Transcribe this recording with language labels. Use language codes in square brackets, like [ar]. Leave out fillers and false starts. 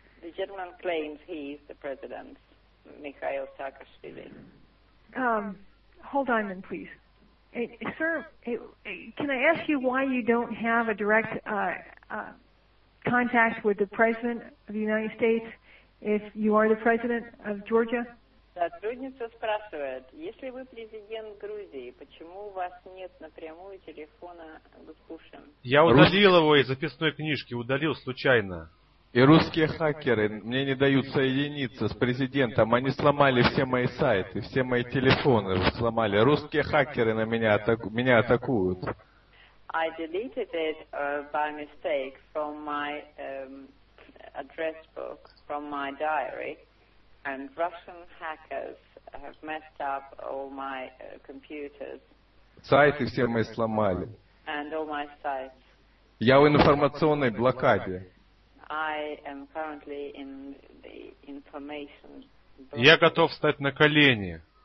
[en] The gentleman claims he is the president, Mikhail Saakashvili. Hold on then, please. Can I ask you why you don't have a direct contact with the president of the United States if you are the president of Georgia? [ru] Сотрудница спрашивает, если вы президент Грузии, почему у вас нет напрямую телефона Гудкушин? Я удалил его из записной книжки, удалил случайно. И русские хакеры мне не дают соединиться с президентом. Они сломали все мои сайты, все мои телефоны сломали. Русские хакеры на меня, меня атакуют. [en] I deleted it by mistake from my address book, from my diary. And Russian hackers have messed up all my computers. [ru] Сайты все мои сломали. [en] And all my sites. [ru] Я в информационной блокаде. [en] I am currently in the information blockade. [ru] Я готов встать на колени.